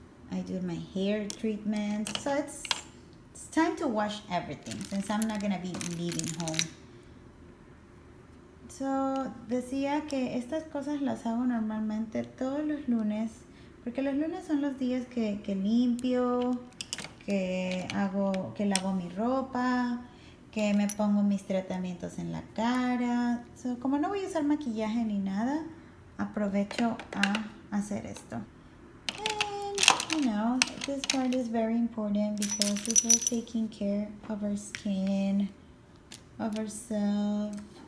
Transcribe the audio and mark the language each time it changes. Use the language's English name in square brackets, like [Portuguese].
[English] I do my hair treatment. So it's time to wash everything since I'm not gonna be leaving home. [Spanish] So, decía que estas cosas las hago normalmente todos los lunes, porque los lunes son los días que limpio, que lavo mi ropa, que me pongo mis tratamientos en la cara. So, como no voy a usar maquillaje ni nada, aprovecho a hacer esto. [English] And, you know, this part is very important because we are taking care of our skin, of ourselves.